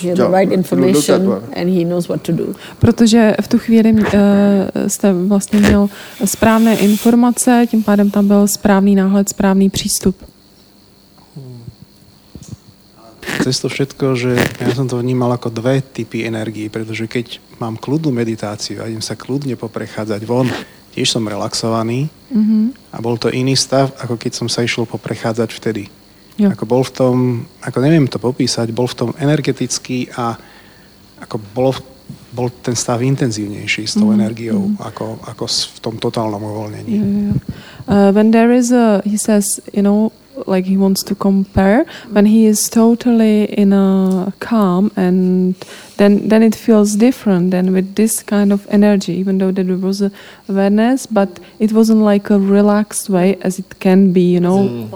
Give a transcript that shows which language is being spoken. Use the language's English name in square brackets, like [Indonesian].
[English] He had the right information, and he knows what to do. [Czech] Protože v tu chvíli jste vlastně měl správné informace, tím pádem tam byl správný náhled, správný přístup. [Slovak] To je to všetko, že ja som to vnímal ako dve typy energie, pretože keď mám kľudnú meditáciu a idem sa kľudne poprechádzať von, tiež som relaxovaný, a bol to iný stav, ako keď som sa išiel poprechádzať vtedy. Jo. Ako bol v tom, ako neviem to popísať, bol v tom energetický a ako bol ten stav intenzívnejší s tou energiou, ako v tom totálnom uvoľnení. [English] When there is a, he says, you know, like he wants to compare, when he is totally in a calm and then it feels different than with this kind of energy, even though there was awareness, but it wasn't like a relaxed way as it can be, you know.